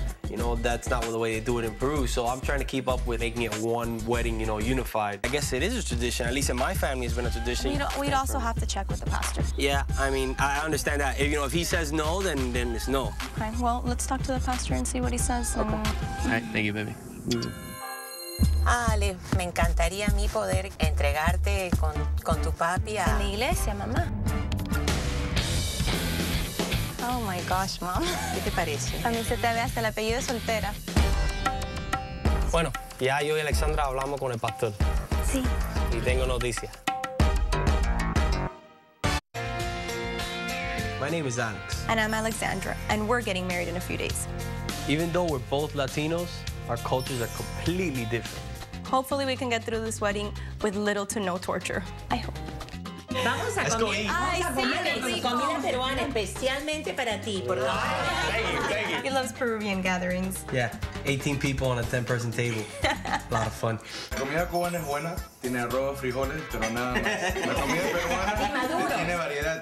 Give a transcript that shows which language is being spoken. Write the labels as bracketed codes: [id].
[en] You know, that's not the way they do it in Peru. So I'm trying to keep up with making it one wedding, you know, unified. I guess it is a tradition. At least in my family, it's been a tradition. You know, we'd also have to check with the pastor. Yeah, I mean, I understand that. If, you know, if he says no, then it's no. Okay, well, let's talk to the pastor and see what he says. Okay. All right, thank you, baby. [es] Ale, me encantaría a mí poder entregarte con tu papi a... En la iglesia, mamá. [en] Oh, my gosh, mom. [es] ¿Qué te parece? A mí se te ve hasta el apellido soltera. Bueno, ya yo y Alexandra hablamos con el pastor. Sí. Y tengo noticias. [en] My name is Alex. And I'm Alexandra, and we're getting married in a few days. Even though we're both Latinos, our cultures are completely different. Hopefully we can get through this wedding with little to no torture. I hope. [es] Vamos a comer. Ay, sí, comida peruana especialmente para ti, por favor. [en] Thank you. He loves Peruvian gatherings. Yeah, 18 people on a 10-person table. A lot of fun. [es] Comida cubana es buena. Tiene arroz, frijoles, pero nada más. La comida peruana tiene variedad.